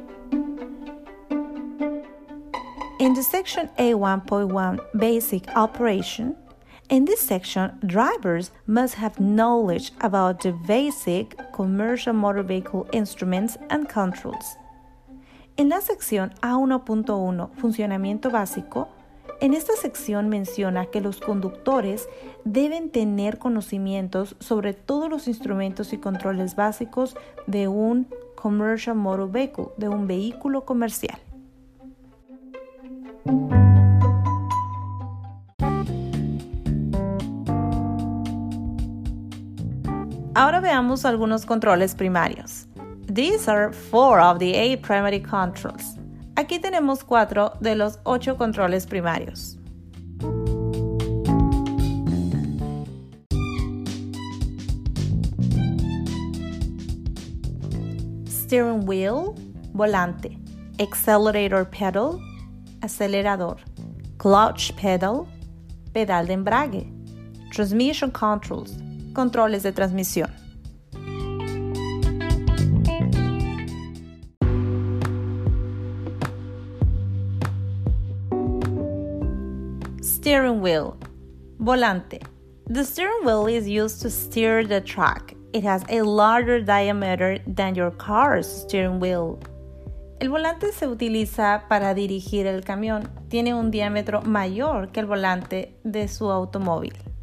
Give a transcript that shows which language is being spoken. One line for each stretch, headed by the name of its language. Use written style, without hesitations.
English: In the section A1.1 Basic Operation, in this section, drivers must have knowledge about the basic commercial motor vehicle instruments and controls.
Spanish: En la sección A1.1 Funcionamiento Básico, en esta sección menciona que los conductores deben tener conocimientos sobre todos los instrumentos y controles básicos de un
English: commercial motor vehicle,
Spanish: de un vehículo comercial. Ahora veamos algunos controles primarios.
English: These are four of the eight primary controls.
Spanish: Aquí tenemos cuatro de los ocho controles primarios.
English: Steering wheel,
Spanish: volante,
English: accelerator pedal,
Spanish: acelerador,
English: clutch pedal,
Spanish: pedal de embrague,
English: transmission controls,
Spanish: controles de transmisión.
English: Steering wheel,
Spanish: volante.
English: The steering wheel is used to steer the truck. It has a larger diameter than your car's steering wheel.
Spanish: El volante se utiliza para dirigir el camión. Tiene un diámetro mayor que el volante de su automóvil.